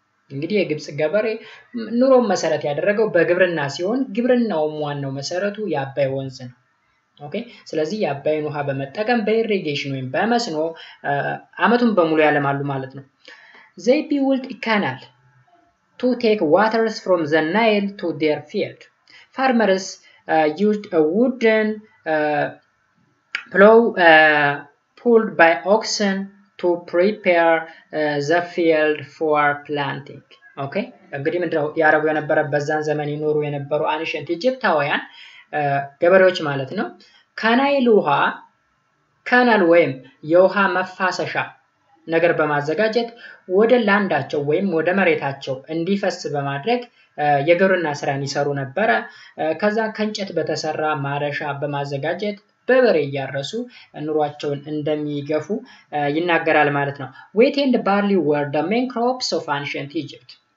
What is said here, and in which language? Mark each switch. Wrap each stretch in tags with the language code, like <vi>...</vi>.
<am>እንግዲህ የግብጽ ገበሬ ኑሮን መሰረት ያደረገው በግብርና ሲሆን ግብርናውም ዋናው መሰረቱ የአባይ ወንዝ ነው። ኦኬ ስለዚህ የአባይን ውሃ በመጠቀም በኢሪጌሽን ወይም በመስኖ አመቱን በሙሉ ያለማሉ ማለት ነው።</am> <en>they built a canal to take water from the Nile to their field. farmers used a wooden plow pulled by oxen to prepare the field for planting.</en> <am>okay እንግዲህ ምንድነው ያረጉ የነበረ በዛን ዘመን ይኖሩ የነበሩ አንሸንት ኢጅፕታውያን ገበሬዎች ማለት ነው ካናይል ውሃ ካናል ወይም የውሃ መፋሰሻ ነገር በማዘጋጀት ወደ ላንዳቸው ወይም ወደ መሬታቸው እንዲፈስ በማድረግ የገሩና ስራን ይሰሩ ነበር። ከዛ ከንጨት በተሰራ ማረሻ በማዘጋጀት በበሬ ያረሱ ኑሯቸውን እንደሚገፉ ይናገራል ማለት ነው።</am> <en>Wheat and barley were the main crops of ancient Egypt.</en>